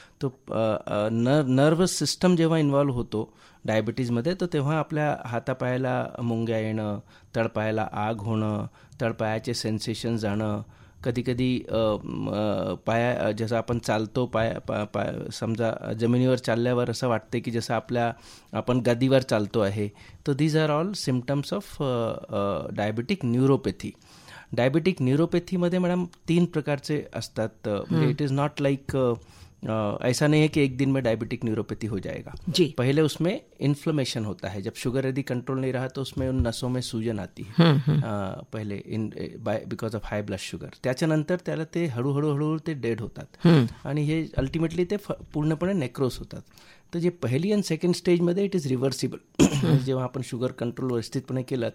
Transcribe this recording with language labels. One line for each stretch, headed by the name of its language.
Marathi: तो nervous system जेव्हा involve होतो डायबिटीजमध्ये तर तेव्हा आपल्या हातापायाला मुंग्या येणं, तळपायाला आग होणं, तळपायाचे सेन्सेशन जाणं, कधी कधी पाया जसं आपण चालतो समजा जमिनीवर चालल्यावर असं वाटते की जसं आपल्या आपण गादीवर चालतो आहे, तर
English: These are all symptoms of diabetic neuropathy.
Marathi: Diabetic न्यूरोपॅथीमध्ये madam 3 प्रकारचे असतात।
English: it is not like
Hindi: ऐसा नहीं है कि एक दिन में डायबिटिक न्यूरोपैथी हो जाएगा। जी। पहले उसमें इन्फ्लेमेशन होता है, जब शुगर यदि कंट्रोल नहीं रहा तो उसमें उन नसों में सूजन आती है।
Marathi: पहले
English: इन because of high blood sugar,
Marathi: त्याच्यानंतर त्याला ते हळूहळू हळूहळू ते डेड होतात आणि हे अल्टिमेटली ते पूर्णपणे नेक्रोस होतात। तर जे पहिली आणि सेकंड स्टेज मध्ये
English: it is reversible,
Marathi: जेव्हा आपण शुगर कंट्रोल व्यवस्थितपणे केलं